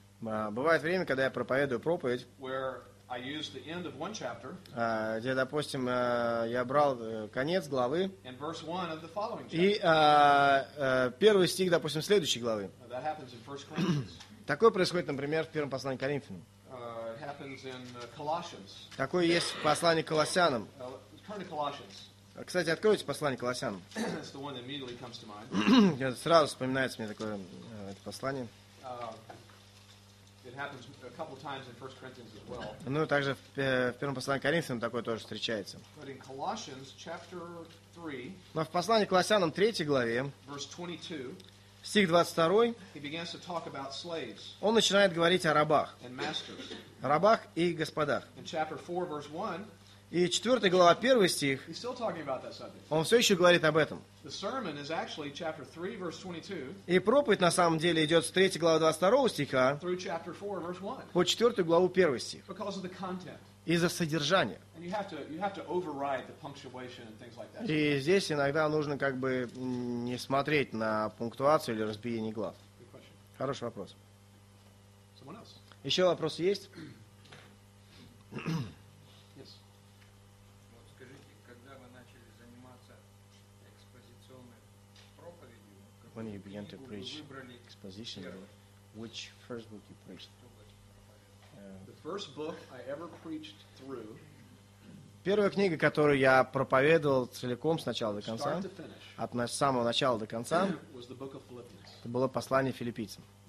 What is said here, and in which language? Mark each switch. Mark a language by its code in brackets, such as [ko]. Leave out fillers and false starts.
[ru] бывает время, когда я проповедую проповедь, [en] where I used the end of one chapter, [ru] где, допустим, я брал конец главы [en] and verse 1 of the following chapter. [ru] И первый стих, допустим, следующей главы. [en] That happens in 1 Corinthians. [ru] Такое происходит, например, в первом послании к Коринфянам. [en] It happens in Colossians. [ru] Такое есть в послании к Колоссянам. [en] Turn to Colossians. [ru] Кстати, откройте послание к Колоссянам. [en] That's the one that immediately comes to mind. [ru] Сразу вспоминается мне такое это послание. [en] It happens a couple times in 1 Corinthians as well. [ru] Ну, также в первом послании к Коринфянам такое тоже встречается. [en] But in Colossians chapter 3. [ru] Но в послании к Колоссянам 3 главе. [en] Verse 22. [ru] Стих 22. [en] He begins to talk about slaves. [ru] Он начинает говорить о рабах. [en] And masters. [ru] Рабах и господах. [en] In chapter 4 verse 1. [ru] И 4 глава 1 стих. [en] He's still talking about that subject. [ru] Он все еще говорит об этом. [en] The sermon is actually chapter 3, verse 22. [ru] И проповедь на самом деле идет с 3 главы 22 стиха [en] through chapter 4, verse 1. [ru] По 4 главу 1 стих. [en] Because of the content. [ru] Из-за содержания. [en] And you have to override the punctuation and things like that. [ru] И здесь иногда нужно как бы не смотреть на пунктуацию или разбиение глав. [en] Good question. [ru] Хороший вопрос. [en] Someone else. [ru] Еще вопросы есть? Скажите, когда вы начали заниматься экспозиционной проповедью, [en] when you began to preach exposition, which first book you preached? The first book I ever preached through. [ru] Первая книга, которую я проповедовал целиком с начала до конца, от самого начала до конца, это было послание филиппийцам.